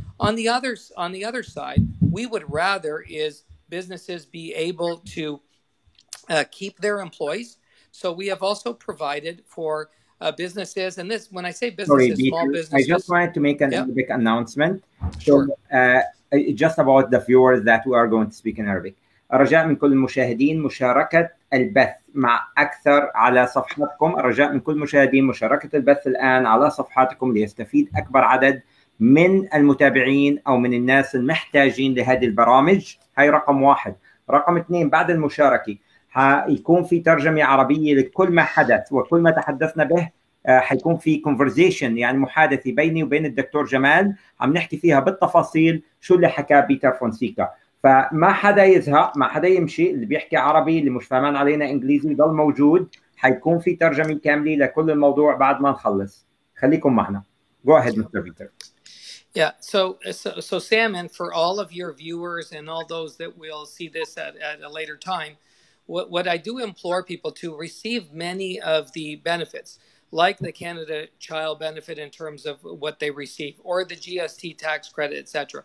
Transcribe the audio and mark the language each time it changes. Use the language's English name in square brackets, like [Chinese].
[English] On the other side, we would rather is businesses be able to keep their employees. So we have also provided for businesses, and this when I say businesses, sorry, small businesses. I just wanted to make a big announcement. So, sure. Just about the viewers that we are going to speak in Arabic. [Arabic] رجاء من كل المشاهدين مشاركة البث مع أكثر على صفحاتكم. رجاء من كل المشاهدين مشاركة البث الآن على صفحاتكم ليستفيد أكبر عدد من المتابعين أو من الناس المحتاجين لهذه البرامج. هاي رقم واحد. رقم اثنين بعد المشاركة هيكون في ترجمة عربية لكل ما حدث وكل ما تحدثنا به. هيكون في conversation يعني محادثة بيني وبين الدكتور جمال عم نحكي فيها بالتفاصيل شو اللي حكاه بيتر فونسيكا. فما حدا يزهق، ما حدا يمشي، اللي بيحكي عربي اللي مش فاهمان علينا انجليزي يضل موجود، حيكون في ترجمة كاملة لكل الموضوع بعد ما نخلص. خليكم معنا. [English] Go ahead, Mr. Peter. Yeah, so Sam, and for all of your viewers and all those that will see this at a later time, what I do implore people to receive many of the benefits, like the Canada Child Benefit in terms of what they receive, or the GST tax credit, etc.